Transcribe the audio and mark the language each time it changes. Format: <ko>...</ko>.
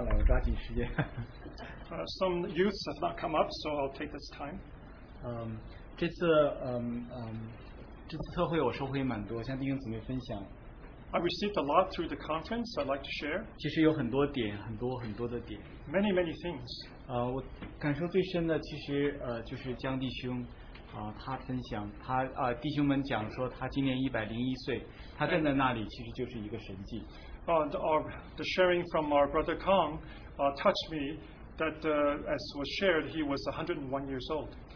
<en>Some youths have not come up, so I'll take this time.</en> <zh>这次特会我收获也蛮多，向弟兄姊妹分享。</zh> <en>I received a lot through the conference. I'd like to share.</en> <zh>其实有很多点，很多很多的点。</zh> <en>Many things.</en> <zh>我感受最深的其实就是江弟兄，他分享，弟兄们讲说他今年101岁，他站在那里其实就是一个神迹。</zh> <en>The sharing from our brother Kong touched me that as was shared, he was 101 years old.</en>